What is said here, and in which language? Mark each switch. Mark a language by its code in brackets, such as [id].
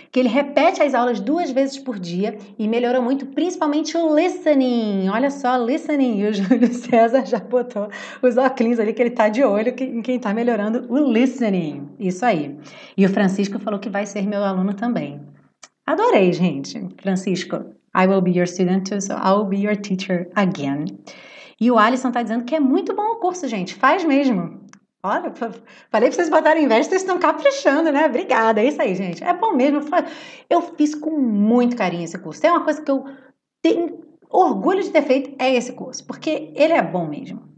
[pt] Que ele repete as aulas duas vezes por dia e melhorou muito, principalmente o listening. Olha só, listening. E o Júlio César já botou os óculos ali, que ele está de olho em quem está melhorando o listening. Isso aí. E o Francisco falou que vai ser meu aluno também. Adorei, gente. [en] Francisco, I will be your student too, so I will be your teacher again. [pt] E o Alisson tá dizendo que é muito bom o curso, gente. Faz mesmo. Olha, falei pra vocês botarem inveja, vocês estão caprichando, né? Obrigada, é isso aí, gente. É bom mesmo. Eu fiz com muito carinho esse curso. É uma coisa que eu tenho O orgulho de ter feito é esse curso, porque ele é bom mesmo.